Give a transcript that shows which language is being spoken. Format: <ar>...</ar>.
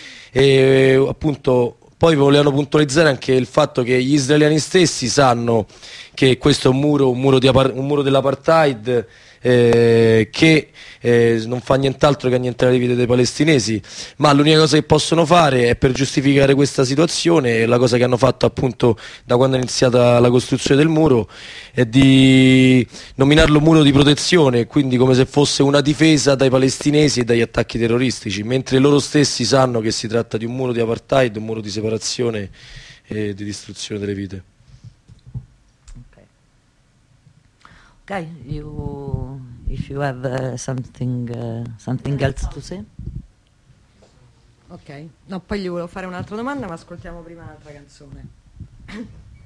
<it>E appunto poi volevano puntualizzare anche il fatto che gli israeliani stessi sanno che questo è un muro dell'apartheid, che non fa nient'altro che annientare le vite dei palestinesi, ma l'unica cosa che possono fare è, per giustificare questa situazione, la cosa che hanno fatto appunto da quando è iniziata la costruzione del muro, è di nominarlo muro di protezione, quindi come se fosse una difesa dai palestinesi e dagli attacchi terroristici, mentre loro stessi sanno che si tratta di un muro di apartheid, un muro di separazione e di distruzione delle vite.</it> <en>Okay, if you have something else to say.</en> <it>Ok, no, poi gli volevo fare un'altra domanda, ma ascoltiamo prima un'altra canzone.</it>